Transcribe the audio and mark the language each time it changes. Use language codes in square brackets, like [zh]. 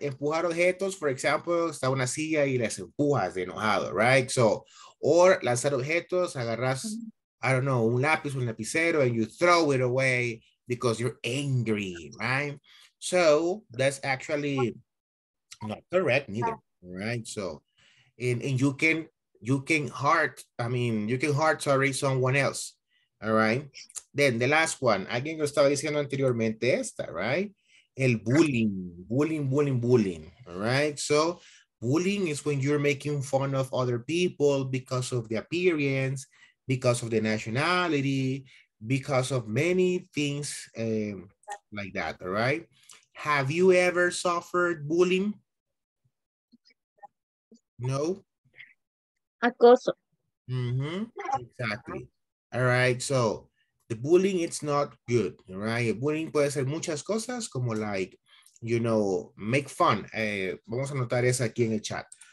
[es] Empujar objetos, [en] for example, [es] está una silla y las empujas de enojado, right? [en] So, or [es] lanzar objetos, agarras, [en] I don't know, [es] un lápiz, un lapicero, [en] and you throw it away because you're angry, right? So, that's actually not correct, neither, right? So, and you can hurt someone else. All right. Then the last one. [es] Alguien lo estaba diciendo anteriormente esta, right? El bullying. [en] All right. So bullying is when you're making fun of other people because of the appearance, because of the nationality, because of many things like that. All right. Have you ever suffered bullying? No. [es] Acoso. [en] Mm-hmm. Exactly. All right, so the bullying, it's not good, right? [es] Bullying puede ser muchas cosas, como [en] like, you know, make fun. [es] Vamos a anotar eso aquí en el chat.